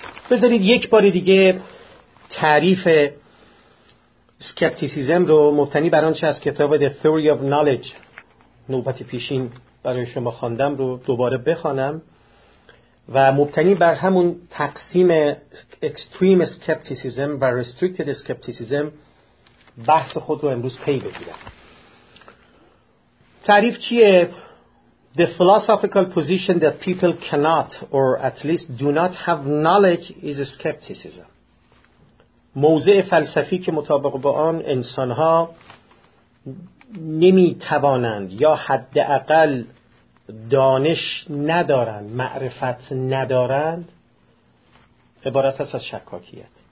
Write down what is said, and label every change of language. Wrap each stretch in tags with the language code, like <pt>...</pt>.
<fa>بذارید یک بار دیگه تعریف سکپتیسیزم رو مبتنی بر آنچه از کتاب The Theory of Knowledge نوبت پیشین برای شما خواندم رو دوباره بخوانم و مبتنی بر همون تقسیم Extreme Skepticism و Restricted Skepticism بحث خود رو امروز پی بگیرم. تعریف چیه؟</fa> <en>The philosophical position that people cannot or at least do not have knowledge is skepticism.</en> <fa>موضع فلسفی که مطابق با آن انسان‌ها نمی‌توانند یا حداقل دانش ندارند، معرفت ندارند، عبارت است از شکاکیت.</fa>